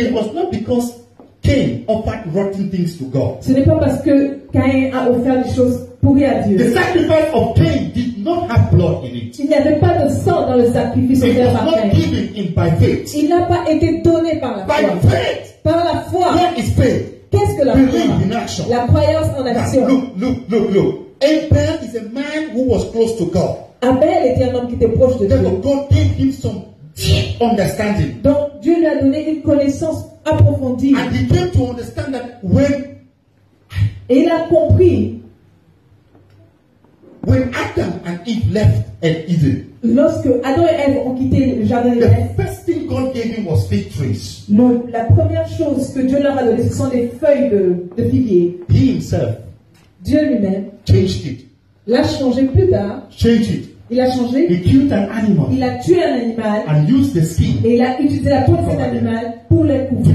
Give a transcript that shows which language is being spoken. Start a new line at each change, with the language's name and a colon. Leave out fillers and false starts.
English: It was not because Cain offered rotten things to God.
French: Ce n'est pas parce que Cain a offert des choses pourries à Dieu.
English: The sacrifice of Cain did not have blood in it.
French: Il n'y avait pas de sang dans le sacrifice offert par Cain.
English: It was not given in by faith.
French: Il n'a pas été donné par la
English: by
French: foi.
English: By faith.
French: Par la foi.
English: What is faith?
French: Qu'est-ce que la
English: Believe
French: foi?
English: Believe in action.
French: La croyance en action.
English: Now, look. Abel is a man who was close to God.
French: Abel était un homme qui était proche de
English: Therefore,
French: Dieu.
English: God gave him some deep understanding.
French: Donc Dieu lui a donné une connaissance approfondie.
English: And he came to understand that when
French: Et il a compris
English: when Adam and Eve left and Eden.
French: Lorsque Adam et Eve ont quitté le jardin
English: The first thing God gave him was fig trees.
French: La première chose que Dieu leur a donné, ce sont des feuilles de figuier.
English: He himself
French: Dieu lui-même
English: changed it.
French: L'a changé plus tard.
English: Change it.
French: Il a changé.
English: He killed an animal.
French: Il a tué un animal.
English: And used the skin.
French: Et il a utilisé la peau de cet animal pour les couvrir.